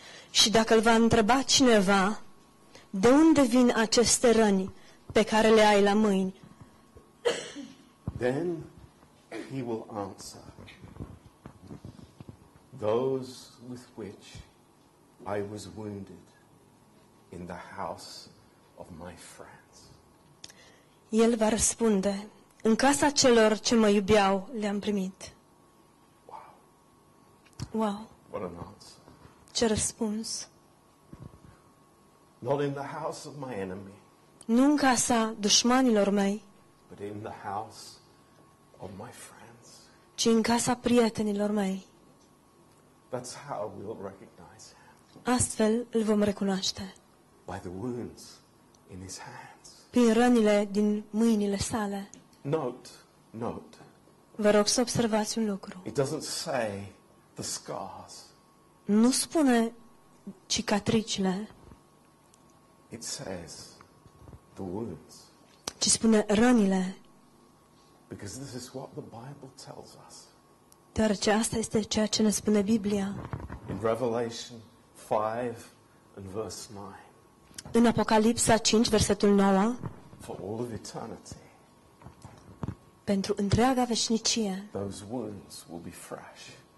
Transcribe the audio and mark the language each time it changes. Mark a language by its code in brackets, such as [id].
[ro] Și dacă îl va întreba cineva, de unde vin aceste răni pe care le ai la mâini? [en] Then he will answer, those with which I was wounded in the house of my friends. [ro] El va răspunde, în casa celor ce mă iubeau le-am primit. Wow. Wow. [en] What an answer. [ro] Ce răspuns. [en] Not in the house of my enemy. [ro] Nu în casa dușmanilor mei. [en] But in the house of my friends. [ro] Ci în casa prietenilor mei. [en] That's how we'll recognize him. [ro] Astfel îl vom recunoaște. [en] By the wounds in his hands. [ro] Prin rănile din mâinile sale. [en] Note. [ro] Vă rog să observați un lucru. [en] It doesn't say the scars. [ro] Nu spune cicatricile. [en] It says the wounds. [ro] Ci spune rănile. [en] Because this is what the Bible tells us. [ro] Deoarece asta este ceea ce ne spune Biblia. [en] In Revelation 5 and verse 9. [ro] În Apocalipsa 5, versetul 9. [en] For all of eternity. [ro] Pentru întreaga veșnicie. [en] Those wounds will be fresh.